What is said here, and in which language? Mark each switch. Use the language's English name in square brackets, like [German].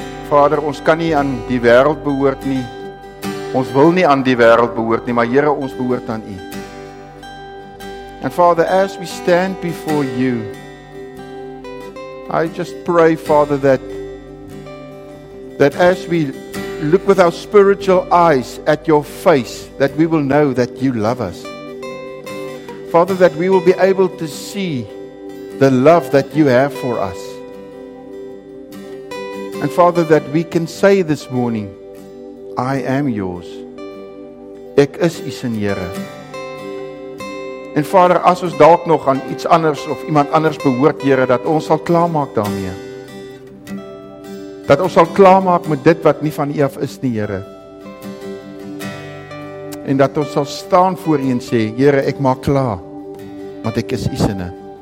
[Afrikaans] Vader, ons kan nie aan die wêreld behoort nie. Ons wil nie aan die wêreld behoort nie, maar Here, ons behoort aan U. [English] And Father, as we stand before You, I just pray, Father, that as we look with our spiritual eyes at Your face, that we will know that You love us. Father, that we will be able to see the love that You have for us. And Father, that we can say this morning, I am Yours. [Afrikaans] Ek is U se Here. En Vader, as ons dalk nog aan iets anders of iemand anders behoort, Here, dat ons sal klaarmaak daarmee. Dat ons sal klaarmaak met dit wat nie van U af is nie, Here. En dat ons sal staan voor U en sê, Here, ek maak klaar, want ek is U sinne.